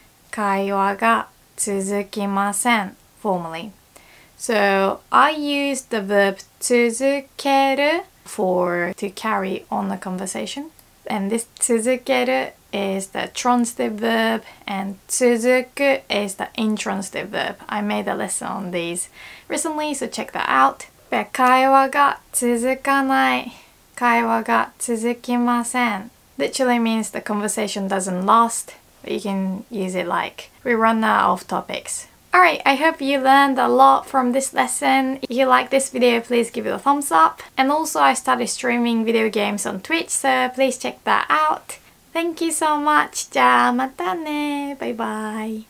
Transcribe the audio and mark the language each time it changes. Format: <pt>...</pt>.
<ja>会話が続きません</ja> <en>formally So I use the verb 続ける for to carry on the conversation and this 続けるis the transitive verb and 続く is the intransitive verb. I made a lesson on these recently, so check that out.</en> <ja>会話が続かない会話が続きません</ja> <en>Literally means the conversation doesn't last. You can use it like we run out of topics. Alright, I hope you learned a lot from this lesson. If you like this video, please give it a thumbs up. And also I started streaming video games on Twitch, so please check that out. Thank you so much.</en> <ja>じゃあまたね。バイバイ。</ja>